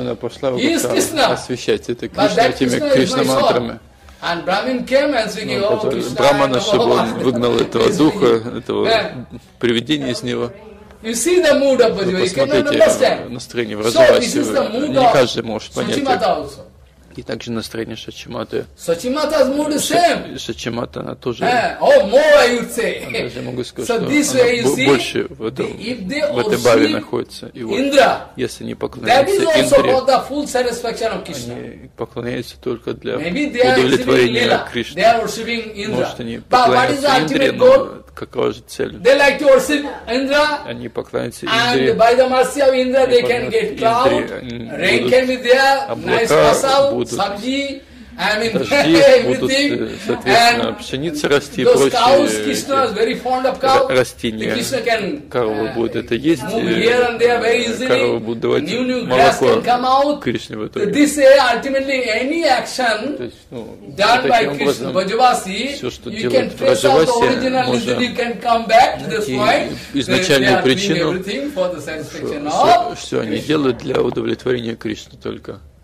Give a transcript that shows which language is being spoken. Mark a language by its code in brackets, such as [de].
[ru] Она пошла его освещать это Кришна этими Кришна мантрами. [en] And Brahmin came and saying, oh, Krishna. [ru] Брахмана, чтобы он выгнал этого духа, этого привидения из него. [en] You see the mood of Bajwa, you cannot understand. [ru] Настроение в развивании. Не каждый может понять. И также настроение Шачиматы. [en] Шачимата's mood is same. [ru] Шачимата, она тоже... [en] Oh, more, I would say. [ru] Даже могу сказать, что она больше в этом, в этой баве находится. И вот, если они поклоняются Индре, они поклоняются только для удовлетворения Кришны. Может, они поклоняются Индре, но какова же цель? [en] They like to worship Indra. [ru] Они поклоняются Индре. [en] And by the mercy of Indra, they can get cloud. Rain can be there. [ru] Облака [en] nice [ru] будут. Сабжи. Дожди будут, соответственно, пшеница расти и прочие растения. Коровы будут это есть. Коровы будут давать молоко Кришне в итоге. [en] This way, ultimately, any action done by Krishna, Vrajavasi, you can trace out the original reason, you can come back to this point. They are doing everything for the satisfaction of Krishna. [ru] Все они делают для удовлетворения Кришны только.